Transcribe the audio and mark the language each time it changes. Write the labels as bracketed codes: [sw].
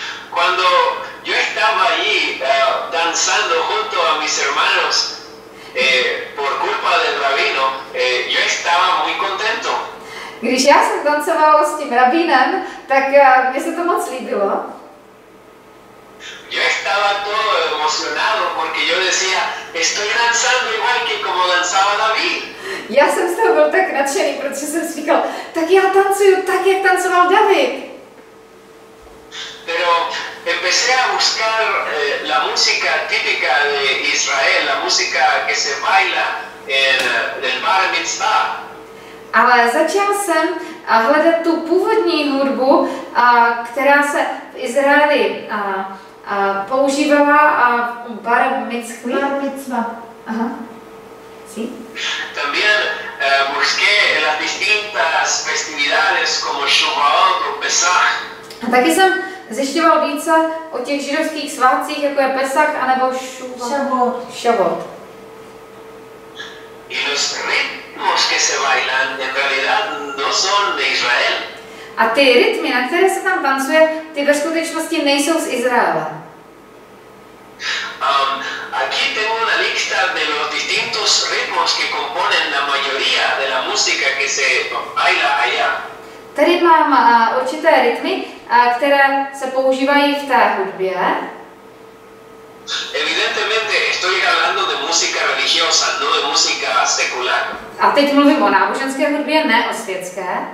[es] cuando yo estaba ahí danzando junto a mis hermanos por culpa del rabino, yo estaba muy contento. [cs] Když já jsem tancovala s tím rabínem, tak mi se to moc líbilo. [es] Yo estaba todo emocionado porque yo decía, estoy danzando igual que como danzaba David. [cs] Já jsem z toho byl tak nadšený, protože jsem si říkal, tak já tancuju tak, jak tancoval David. [es] Pero empecé a buscar la música típica de Israel, la música que se baila en el bar mitzvah. [cs] Ale začal jsem hledat tu původní hudbu, která se v Izraeli používala a bar mitzvah. [he] Bar mitzvah. [es] Aha. Sí. También busqué las distintas festividades como Shavuot o Pesach. [cs] A taky jsem zjišťoval více o těch židovských svátcích, jako je Pesach a nebo [he] Shavuot. [es] Y los ritmos que se bailan en realidad no son de Israel. [cs] A ty rytmy, na které se tam tancuje, ty ve skutečnosti nejsou z Izraela. [es] Aquí tengo una lista de los distintos ritmos que componen la mayoría de la música que se baila allá. [cs] Tady mám určité rytmy, které se používají v té hudbě. [es] Evidentemente estoy hablando de música religiosa, no de música secular. [cs] A teď mluvím o náboženské hudbě, ne o světské.